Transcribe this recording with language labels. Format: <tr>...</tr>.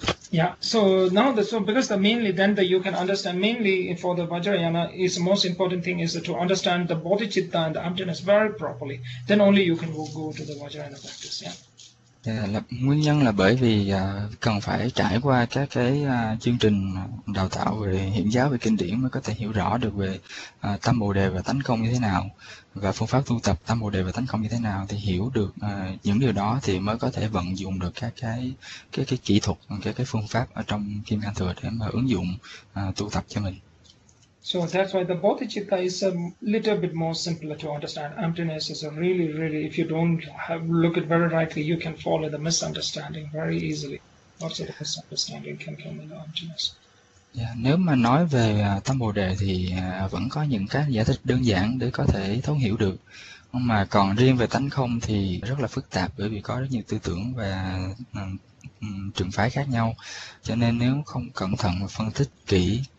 <en>Yeah, so now you can understand mainly for the Vajrayana is the most important thing is to understand the bodhicitta and the emptiness very properly. Then only you can go to the Vajrayana practice. Yeah.</en> <vi>Nguyên nhân là bởi vì cần phải trải qua các cái chương trình đào tạo về hiện giáo, về kinh điển mới có thể hiểu rõ được về tâm bồ đề và tánh không như thế nào, và phương pháp tu tập tâm bồ đề và tánh không như thế nào, thì hiểu được những điều đó thì mới có thể vận dụng được các cái kỹ thuật, các cái phương pháp ở trong Kim Cang Thừa để mà ứng dụng tu tập cho mình.</vi> <en>So that's why the bodhicitta is a little bit more simpler to understand. Emptiness is a really, really, if you don't look it very rightly, you can fall in the misunderstanding very easily. Lots of the misunderstanding can come in the emptiness.</en> <vi>Yeah, nếu mà nói về tâm bồ đề thì vẫn có những cái giải thích đơn giản để có thể thấu hiểu được. Mà còn riêng về tánh không thì rất là phức tạp, bởi vì có rất nhiều tư tưởng và trường phái khác nhau. Cho nên nếu không cẩn thận phân tích kỹ</vi>